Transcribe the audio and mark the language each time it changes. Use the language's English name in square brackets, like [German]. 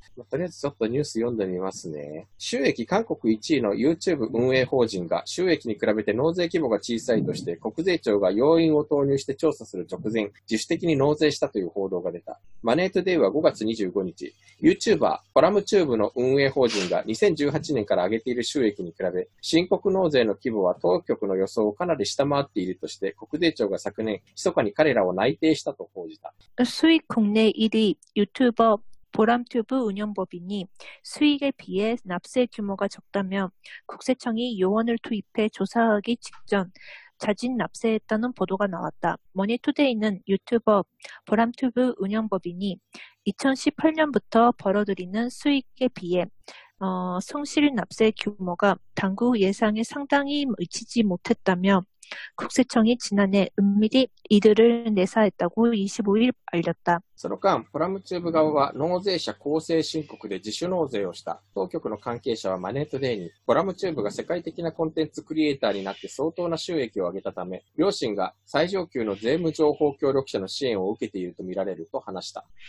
[Japanese] まあ、とりあえずちょっとニュース読んでみますね。収益韓国1位の YouTube 運営法人が収益に比べて納税規模が小さいとして国税庁が要因を投入して調査する直前、自主的に納税したという報道が出た。マネートデイは5月25日、YouTuber、コラムチューブの運営法人が2018年から上げている収益に比べ、申告納税の規模は当局の予想をかなり下回っているとして国税庁が昨年、密かに彼らを内定したと報じた。 [Korean] 수익국내1위 YouTuber 보람튜브 운영법인이 수익에 비해 납세 규모가 적다며 국세청이 요원을 투입해 조사하기 직전 자진 납세했다는 보도가 나왔다. 머니투데이는 유튜버 보람튜브 운영법인이 2018년부터 벌어들이는 수익에 비해 성실납세 규모가 당국 예상에 상당히 미치지 못했다며국세청이지난해은밀히이들을내사했다고25일알렸다 [Japanese] その間、プラムチューブ側は納税者公正申告で自主納税をした。当局の関係者はマネートデイに、プラムチューブが世界的なコンテンツクリエイターになって相当な収益を上げたため、両親が最上級の税務情報協力者の支援を受けていると見られると話した。